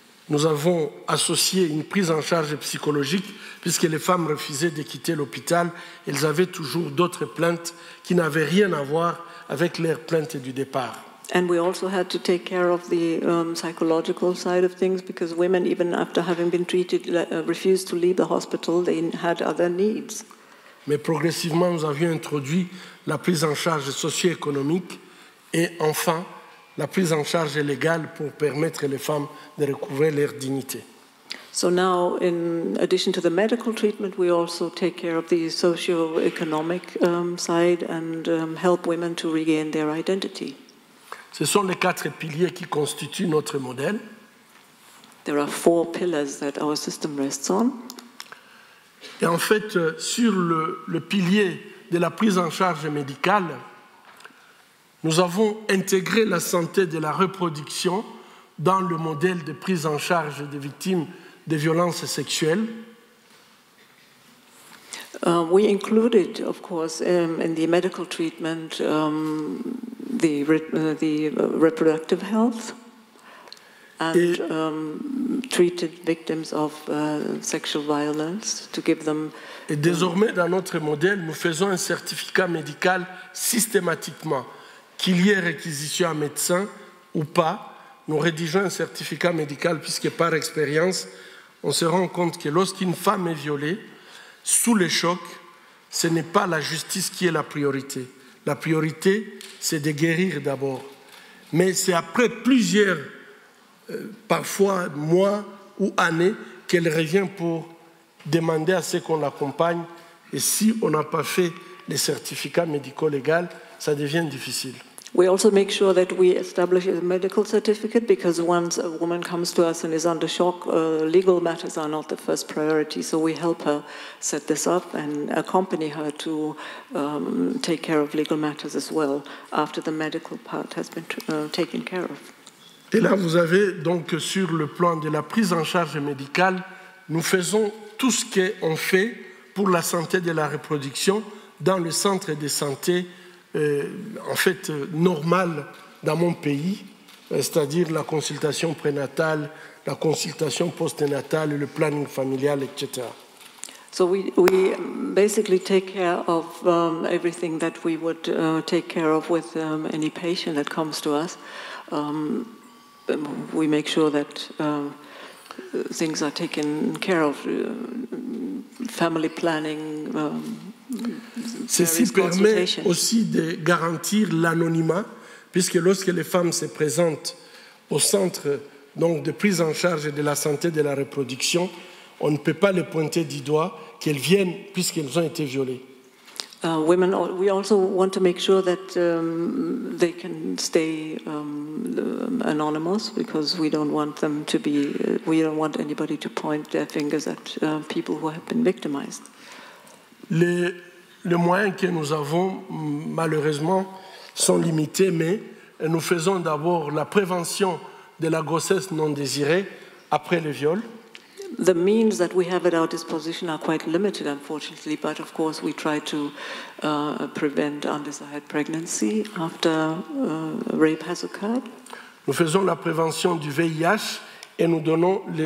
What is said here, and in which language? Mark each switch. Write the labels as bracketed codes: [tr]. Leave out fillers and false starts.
[fr] Nous avons associé une prise en charge psychologique puisque les femmes refusaient de quitter l'hôpital. Elles avaient toujours d'autres plaintes qui n'avaient rien à voir avec leurs plaintes du départ. [en] And we also had to take care of the psychological side of things because women, even after having been treated, refused to leave the hospital. They had other needs. [fr] Mais progressivement, nous avions introduit la prise en charge socio-économique et enfin la prise en charge légale pour permettre aux femmes de recouvrer leur dignité. [en] So now, in addition to the medical treatment, we also take care of the socio-economic side and help women to regain their identity. [fr] Ce sont les quatre piliers qui constituent notre modèle. [en] There are four pillars that our system rests on. [fr] Et en fait, sur le pilier de la prise en charge médicale, nous avons intégré la santé de la reproduction dans le modèle de prise en charge des victimes de violences sexuelles. [en] We included, of course, in the medical treatment, the reproductive health and treated victims of sexual violence to give them. [fr] Et désormais, dans notre modèle, nous faisons un certificat médical systématiquement. Qu'il y ait réquisition à médecin ou pas, nous rédigeons un certificat médical puisque par expérience, on se rend compte que lorsqu'une femme est violée, sous le choc, ce n'est pas la justice qui est la priorité. La priorité, c'est de guérir d'abord. Mais c'est après plusieurs, parfois mois ou années, qu'elle revient pour demander à ce qu'on l'accompagne. Et si on n'a pas fait les certificats médicaux légaux, ça devient difficile. [en] We also make sure that we establish a medical certificate because once a woman comes to us and is under shock, legal matters are not the first priority. So we help her set this up and accompany her to take care of legal matters as well after the medical part has been taken care of. [fr] Et là, vous avez donc sur le plan de la prise en charge médicale, nous faisons tout ce qu'on fait pour la santé de la reproduction dans le centre de santé. En fait, normal dans mon pays, c'est-à-dire la consultation prénatale, la consultation postnatale, le planning familial, etc. [en] So we basically take care of everything that we would take care of with any patient that comes to us. We make sure that things are taken care of, family planning. [fr] Ceci permet aussi de garantir l'anonymat, puisque lorsque les femmes se présentent au centre donc de prise en charge de la santé de la reproduction, on ne peut pas les pointer du doigt qu'elles viennent puisqu'elles ont été violées. [en] Women, we also want to make sure that they can stay anonymous because we don't want them to be, we don't want anybody to point their fingers at people who have been victimized. [fr] Les moyens que nous avons, malheureusement, sont limités, mais nous faisons d'abord la prévention de la grossesse non désirée après le viol. [en] The means that we have at our disposition are quite limited, unfortunately, but of course we try to prevent undesired pregnancy after rape has occurred. [fr] Nous faisons la prévention du VIH et nous donnons